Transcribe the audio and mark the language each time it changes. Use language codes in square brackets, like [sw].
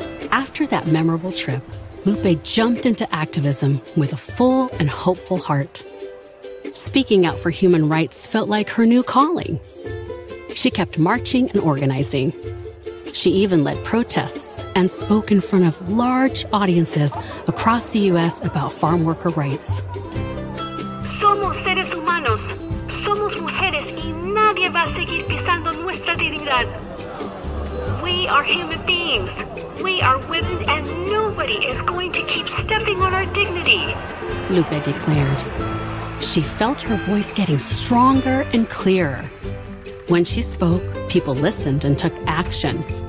[en] After that memorable trip, Lupe jumped into activism with a full and hopeful heart. Speaking out for human rights felt like her new calling. She kept marching and organizing. She even led protests and spoke in front of large audiences across the U.S. about farm worker rights. [es] Somos seres humanos. Somos mujeres y nadie va a seguir pisando nuestra dignidad. [en] We are human beings. We are women and nobody is going to keep stepping on our dignity. Lupe declared. She felt her voice getting stronger and clearer. When she spoke, people listened and took action.